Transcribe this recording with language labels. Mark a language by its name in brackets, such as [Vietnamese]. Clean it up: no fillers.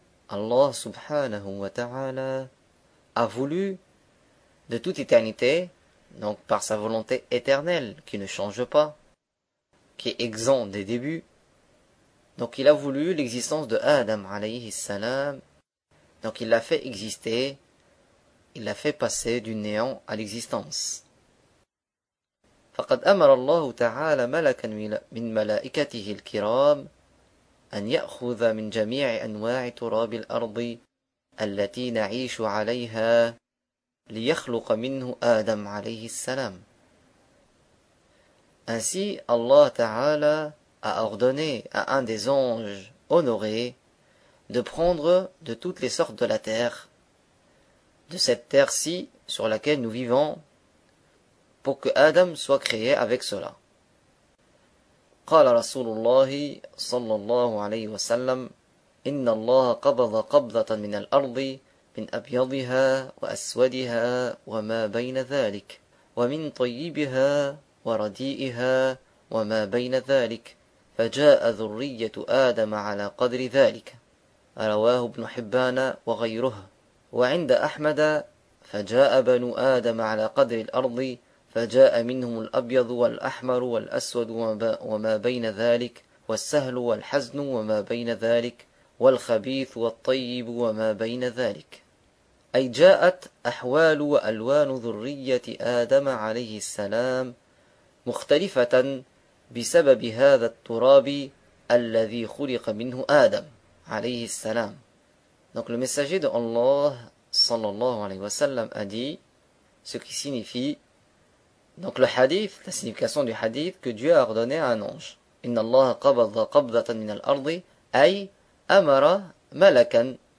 [French] Allah subhanahu wa ta'ala a voulu de toute éternité, donc par sa volonté éternelle qui ne change pas, qui est exempt des débuts. Donc il a voulu l'existence de Adam alayhi salam. Donc il l'a fait exister, il l'a fait passer du néant à l'existence. [Arabic] فقد أمر الله تعالى ملكا من ملائكته الكرام أن يأخذ من جميع أنواع تراب الأرض التي نعيش عليها ليخلق منه آدم عليه السلام. [French] Ainsi, Allah Ta'ala a ordonné à un des anges honorés de prendre de toutes les sortes de la terre, de cette terre-ci sur laquelle nous vivons, pour que Adam soit créé avec cela. [Arabic] قال رسول الله صلى الله عليه وسلم إن الله قبض قبضة من الأرض من أبيضها وأسودها وما بين ذلك ومن طيبها ورديئها وما بين ذلك فجاء ذرية آدم على قدر ذلك رواه ابن حبان وغيره وعند أحمد فجاء بنو آدم على قدر الأرض فجاء منهم الأبيض والأحمر والأسود وما بين ذلك والسهل والحزن وما بين ذلك والخبيث والطيب وما بين ذلك أي جاءت أحوال وألوان ذرية آدم عليه السلام مختلفة بسبب هذا التراب الذي خلق منه آدم عليه السلام. [French] Donc le messager de Allah صلى الله عليه وسلم a dit ce qui signifie. Donc le hadith, la signification du hadith que Dieu a ordonné à un ange. [Arabic] Inna Allah qabadha qabdatan min al-ardi ay amara malakan.